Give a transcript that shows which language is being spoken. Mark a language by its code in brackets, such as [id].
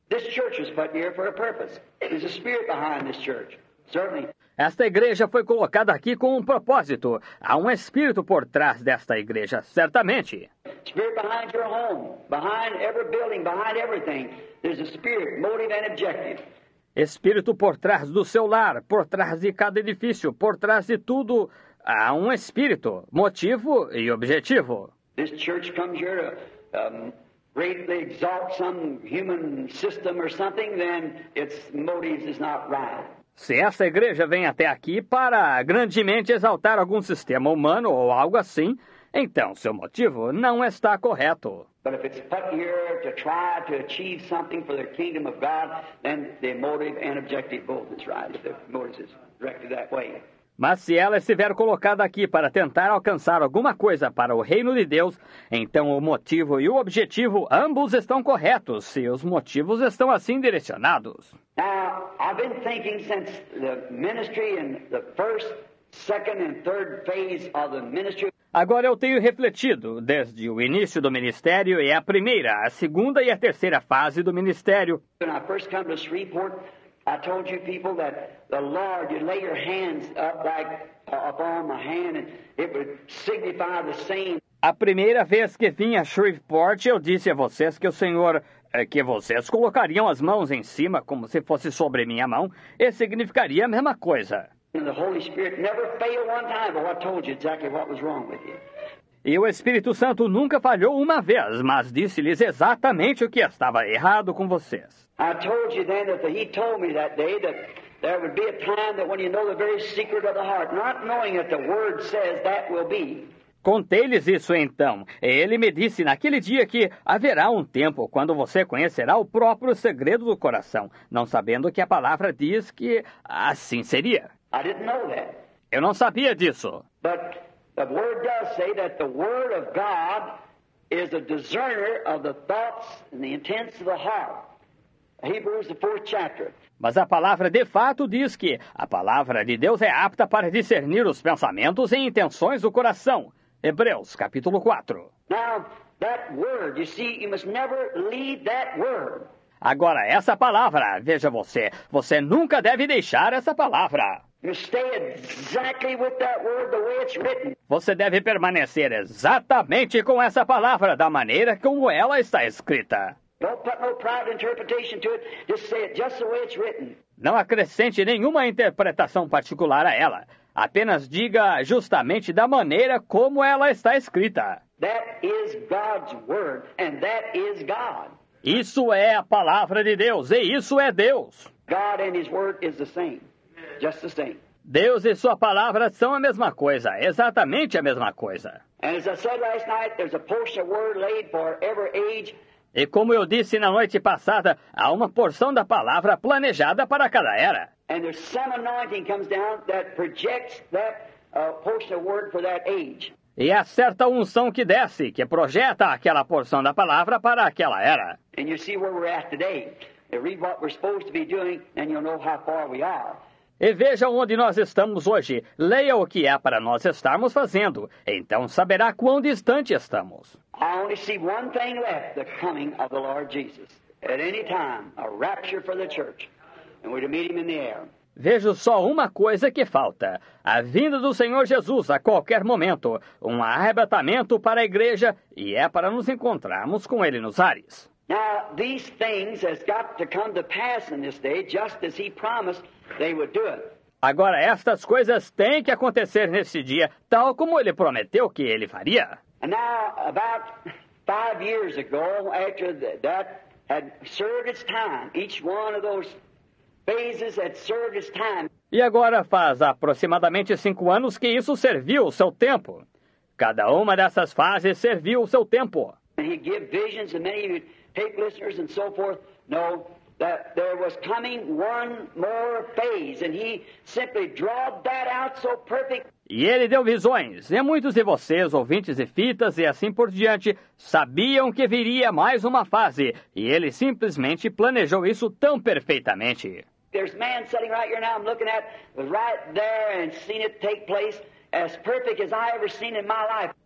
[en] This church is put here for a purpose. There's a spirit behind this church. Certainly. [pt] Esta igreja foi colocada aqui com um propósito. Há um espírito por trás desta igreja, certamente. [en] Spirit behind your home, behind every building, behind everything. There's a spirit, motive and objective. [pt] Espírito por trás do seu lar, por trás de cada edifício, por trás de tudo, há um espírito, motivo e objetivo. [en] This church comes here to greatly exalt some human system or something, then its motives is not right. [pt] Se essa igreja vem até aqui para grandemente exaltar algum sistema humano ou algo assim, então seu motivo não está correto. [en] But if it's put here to try to achieve something for the kingdom of God, then the motive and objective both is right. The motive is directed that way. [pt] Mas se ela estiver colocada aqui para tentar alcançar alguma coisa para o reino de Deus, então o motivo e o objetivo ambos estão corretos, se os motivos estão assim direcionados. [en] Now, I've been thinking since the ministry and the first, second and third phase of the ministry. [pt] Agora eu tenho refletido, desde o início do ministério e a primeira, a segunda e a terceira fase do ministério. [en] When I first come to Shreveport, I told you people that the Lord, you lay your hands up like upon my hand, and it would signify the same. [pt] A primeira vez que vim a Shreveport, eu disse a vocês que o Senhor, que vocês colocariam as mãos em cima como se fosse sobre minha mão, e significaria a mesma coisa. [en] And the Holy Spirit never failed one time, but I told you exactly what was wrong with you. [pt] E o Espírito Santo nunca falhou uma vez, mas disse-lhes exatamente o que estava errado com vocês. [en] I told you then that he told me that day that there would be a time that when you know the very secret of the heart, not knowing that the word says that will be. [pt] Contei-lhes isso então. Ele me disse naquele dia que haverá um tempo quando você conhecerá o próprio segredo do coração, não sabendo que a palavra diz que assim seria. [en] I didn't know that. [pt] Eu não sabia disso. [en] But the word does say that the word of God is a discerner of the thoughts and the intents of the heart. Hebrews, the fourth chapter. [pt] Mas a palavra de fato diz que a palavra de Deus é apta para discernir os pensamentos e intenções do coração. Hebreus, capítulo 4. [en] Now, that word, you see, you must never leave that word. [pt] Agora, essa palavra, veja você, você nunca deve deixar essa palavra. [en] You stay exactly with that word the way it's written. [pt] Você deve permanecer exatamente com essa palavra da maneira como ela está escrita. [en] Don't put no private interpretation to it. Just say it just the way it's written. [pt] Não acrescente nenhuma interpretação particular a ela. Apenas diga justamente da maneira como ela está escrita. [en] That is God's word, and that is God. [pt] Isso é a palavra de Deus, e isso é Deus. [en] God and his word is the same. Just the same. [pt] Deus e sua palavra são a mesma coisa, exatamente a mesma coisa. [en] And as I said last night, there's a portion of word laid for every age. [pt] E como eu disse na noite passada, há uma porção da palavra planejada para cada era. [en] And there's some anointing comes down that projects that portion of word for that age. [pt] E há certa unção que desce, que projeta aquela porção da palavra para aquela era. [en] And you see where we're at today. You read what we're supposed to be doing, and you'll know how far we are. [pt] E veja onde nós estamos hoje. Leia o que é para nós estarmos fazendo. Então saberá quão distante estamos. [en] I only see one thing left, the coming of the Lord Jesus. At any time, a rapture for the church. And we're to meet him in the air. [pt] Vejo só uma coisa que falta. A vinda do Senhor Jesus a qualquer momento. Um arrebatamento para a igreja e é para nos encontrarmos com ele nos ares. [en] Now, these things has got to come to pass in this day, just as he promised they would do it. [pt] Agora, estas coisas têm que acontecer neste dia, tal como ele prometeu que ele faria. [en] And now, about 5 years ago, after that had served its time, each one of those phases had served its time. [pt] E agora faz aproximadamente 5 anos que isso serviu o seu tempo. Cada uma dessas fases serviu o seu tempo. [en] And he gave visions and many tape listeners and so forth know that there was coming one more phase, and he simply drawed that out so perfect. [pt] E ele deu visões, e muitos de vocês, ouvintes de fitas e assim por diante, sabiam que viria mais uma fase, e ele simplesmente planejou isso tão perfeitamente. [en] There's a man sitting right here now I'm looking at, right there, and seen it take place as perfect as I ever seen in my life.